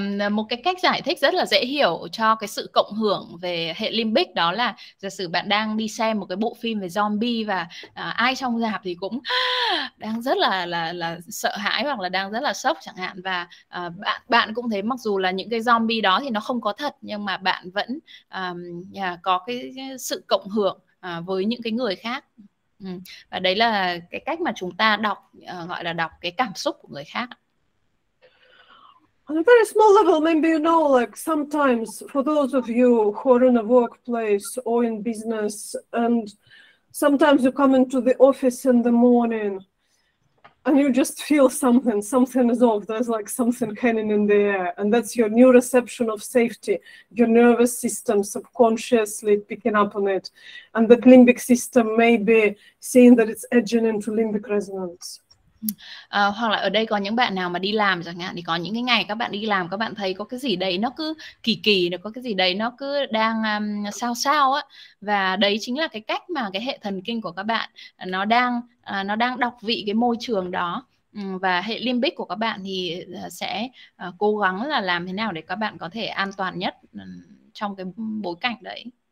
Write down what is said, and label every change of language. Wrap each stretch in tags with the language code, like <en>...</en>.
<vi>Một cái cách giải thích rất là dễ hiểu cho cái sự cộng hưởng về hệ limbic đó là giả sử bạn đang đi xem một cái bộ phim về zombie và ai trong rạp thì cũng đang rất là sợ hãi hoặc là đang rất là sốc chẳng hạn, và bạn bạn cũng thấy mặc dù là những cái zombie đó thì nó không có thật nhưng mà bạn vẫn có cái sự cộng hưởng với những cái người khác. Và đấy là cái cách mà chúng ta đọc gọi là đọc cái cảm xúc của người khác.</vi> <en>On a very small level, maybe you know, like sometimes for those of you who are in a workplace or in business, and sometimes you come into the office in the morning and you just feel something, something is off. There's like something hanging in the air, and that's your new reception of safety, your nervous system subconsciously picking up on it, and the limbic system may be seeing that it's edging into limbic resonance.</en> <vi>Hoặc là ở đây có những bạn nào mà đi làm chẳng hạn, thì có những cái ngày các bạn đi làm các bạn thấy có cái gì đấy nó cứ kỳ kỳ, nó có cái gì đấy nó cứ đang sao sao á, và đấy chính là cái cách mà cái hệ thần kinh của các bạn nó đang đọc vị cái môi trường đó, và hệ limbic của các bạn thì sẽ cố gắng là làm thế nào để các bạn có thể an toàn nhất trong cái bối cảnh đấy.</vi>